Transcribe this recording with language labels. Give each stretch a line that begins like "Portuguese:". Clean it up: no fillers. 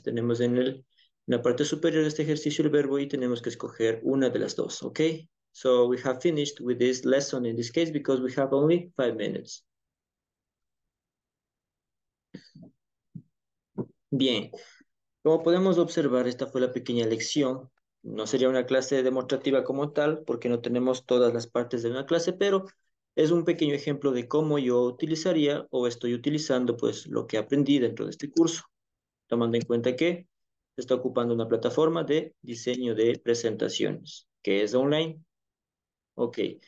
Spanish: Tenemos en la parte superior de este ejercicio el verbo y tenemos que escoger una de las dos.
English: Okay, so we have finished with this lesson in this case because we have only 5 minutes.
Spanish: Bien. Como podemos observar, esta fue la pequeña lección. No sería una clase demostrativa como tal, porque no tenemos todas las partes de una clase, pero es un pequeño ejemplo de cómo yo utilizaría o estoy utilizando pues lo que aprendí dentro de este curso, tomando en cuenta que está ocupando una plataforma de diseño de presentaciones, que es online. Ok.